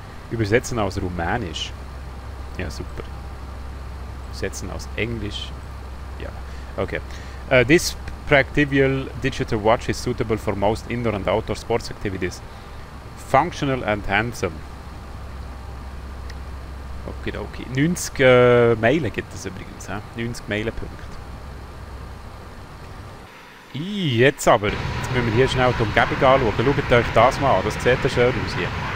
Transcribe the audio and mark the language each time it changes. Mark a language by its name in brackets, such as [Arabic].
[German] Übersetzen aus Rumänisch. Ja, super. Übersetzen aus Englisch. Ja, okay. [English] This Practivial Digital Watch is suitable for most indoor and outdoor sports activities. Functional and handsome. Okidoki. [German] 90 Meilen gibt es übrigens. He? 90 Meilenpunkte. Jetzt aber, jetzt müssen wir hier schnell die Umgebung anschauen. Schaut euch das mal an, das sieht ja schön aus hier.